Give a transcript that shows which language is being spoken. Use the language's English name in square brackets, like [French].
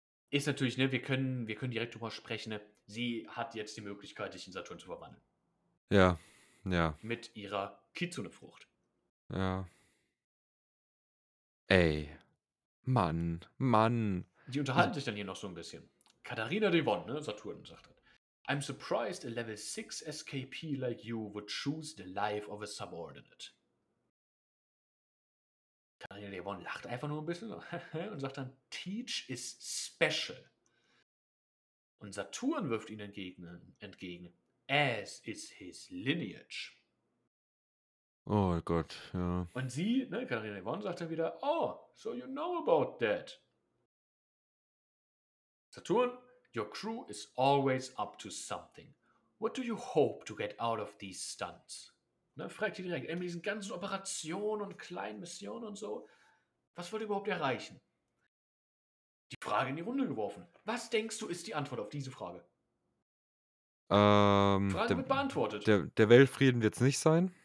[German] Ist natürlich, ne, wir können direkt drüber sprechen. Ne, sie hat jetzt die Möglichkeit, sich in Saturn zu verwandeln. Ja, ja. Mit ihrer Kitsune-Frucht. Ja. Ey. Mann. Die unterhalten sich dann hier noch so ein bisschen. Katharina Devon, ne, Saturn sagt das. [English] I'm surprised a level 6 SKP like you would choose the life of a subordinate. [German] Katharina Devon lacht einfach nur ein bisschen und sagt dann, Teach is special. Und Saturn wirft ihnen entgegen. As is his lineage. Oh Gott, ja. Und sie, ne, Katharina Devon, sagt dann wieder, oh, so you know about that. [English] Saturn, your crew is always up to something. What do you hope to get out of these stunts? [German] Ne, fragt sie direkt, mit diesen ganzen Operationen und kleinen Missionen und so, was wollt ihr überhaupt erreichen? Die Frage in die Runde geworfen. Was denkst du, ist die Antwort auf diese Frage? Frage wird beantwortet. Der Weltfrieden wird es nicht sein.